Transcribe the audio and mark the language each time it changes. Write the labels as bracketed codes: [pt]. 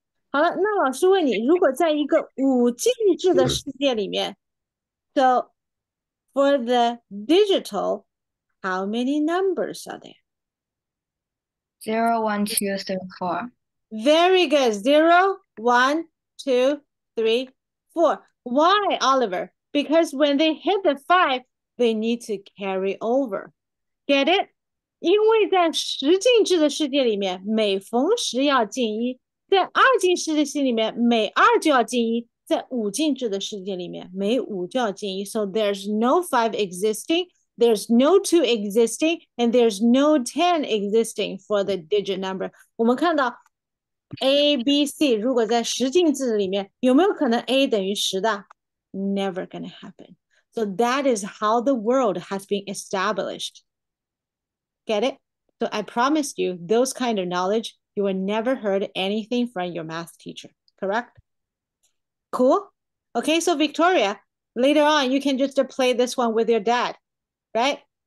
[zh] 好了,那老师问你, 如果在一个五进制的世界里面, [en] so, for the digital, how many numbers are there? 0, 1, 2, 3, 4. Very good. 0, 1, 2, 3, 4. Why, Oliver? Because when they hit the 5, they need to carry over. Get it? [zh] 因为在十进制的世界里面, 每逢十要进一, 在二进制的世界里面, 每二就要进一, 在五进制的世界里面，没五就要进一。 [en] So there's no five existing, there's no two existing, and there's no 10 existing for the digit number. [zh] 我们看到 A B C 如果在十进制里面，有没有可能 A 等于十的？ [en] Never gonna happen. So that is how the world has been established. Get it? So I promised you those kind of knowledge, you will never heard anything from your math teacher. Correct? Cool? Okay, so Victoria, later on, you can just play this one with your dad, right?